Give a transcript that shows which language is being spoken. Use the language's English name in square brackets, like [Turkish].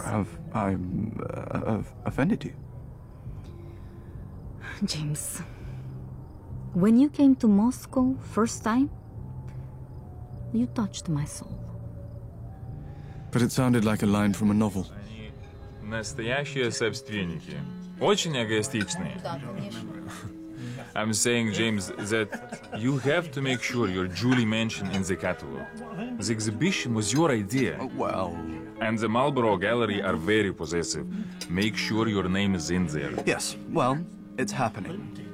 [English] I've offended you. James, when you came to Moscow first time, you touched my soul. But it sounded like a line from a novel. [Russian] Настоящие собственники. Очень эгоистичные. [English] I'm saying, James, that you have to make sure you're duly mentioned in the catalog. The exhibition was your idea. Well... And the Marlboro Gallery are very possessive. Make sure your name is in there. Yes, well, it's happening.